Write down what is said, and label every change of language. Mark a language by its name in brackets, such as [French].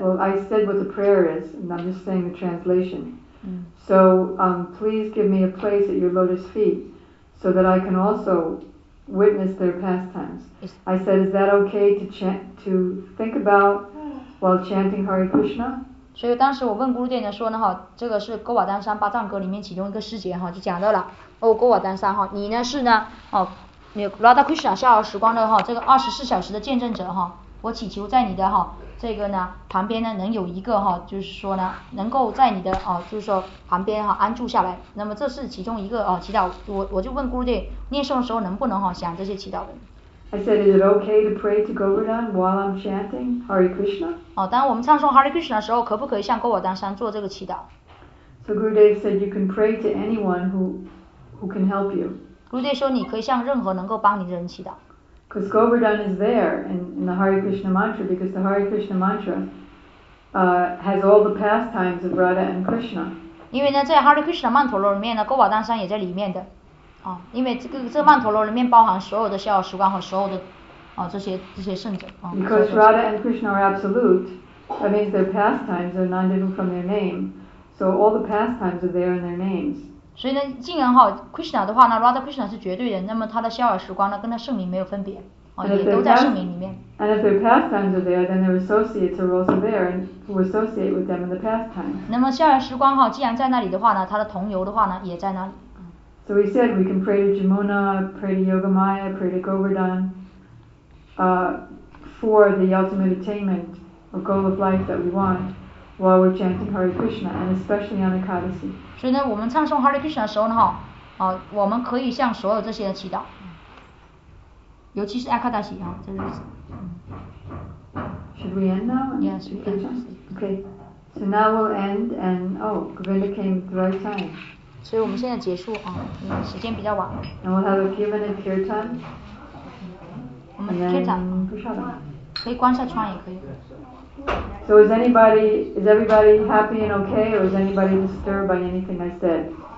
[English] Well, I said what the prayer is, and I'm just saying the translation. So please give me a place at your lotus feet so that I can also witness their pastimes. I said, is that okay to chant, to think about while chanting Hare Krishna? [Chinese] 所以当时我问 Guru Dev 呢，说呢哈，这个是《噶瓦丹山八藏歌》里面其中一个师姐哈，就讲到了哦，噶瓦丹山哈，你呢是呢哦，你 Radha Krishna 逍遥时光的哈，这个24小时的见证者哈，我祈求在你的哈这个呢旁边呢能有一个哈，就是说呢能够在你的哦，就是说旁边哈安住下来。那么这是其中一个哦祈祷，我就问 Guru Dev 念诵的时候能不能哈想这些祈祷文。 [English] I said, is it okay to pray to Govardhan while I'm chanting Hare Krishna? [Chinese] 哦，当我们唱诵 Hare Krishna 的时候，可不可以向 Govardhan 山做这个祈祷 [English] ？So Gurudev said, you can pray to anyone who can help you. [Chinese] Gurudev 说，你可以向任何能够帮你的人祈祷。 [English] Because Govardhan is there in the Hare Krishna mantra, because the Hare Krishna mantra has all the pastimes of Radha and Krishna. [Chinese] 因为呢，在 Hare Krishna mantra 里面呢 ，Govardhan 山也在里面的。哦，因为这个曼陀罗里面包含所有的逍遥时光和所有的哦这些圣者。哦、 [English] Because Radha and Krishna are absolute, that means their pastimes are not different from their name. So all the pastimes are there in their names. [Chinese] 所以呢，既然哈 Krishna 的话呢 ，Radha Krishna 是绝对的，那么他的逍遥时光呢，跟他圣名没有分别，哦、也都在圣名里面。 [English] And if their pastimes are there, then their associates are also there, and who associate with them in the pastimes. [Chinese] 那么逍遥时光哈，既然在那里的话呢，他的同游的话呢，也在那里。 [English] So we said we can pray to Jamuna, pray to Yogamaya, pray to Govardhan, for the ultimate attainment or goal of life that we want while we're chanting Hare Krishna, and especially on Ekadasi. [Chinese] 所以呢，我们唱诵 Hare Krishna 的时候呢，哈，啊，我们可以向所有这些人祈祷，尤其是 Ekadasi 啊，这日子。 [English] Should we end now? Yes, we can. Okay. So now we'll end, and oh, Govinda came at the right time. [Chinese] 所以我们现在结束啊，时间比较晚。 [English] And we'll have a few minutes kirtan. [Chinese] 我们 kirtan 不晓得，可以关下窗也可以。 [English] So is everybody happy and okay, or is anybody disturbed by anything I said?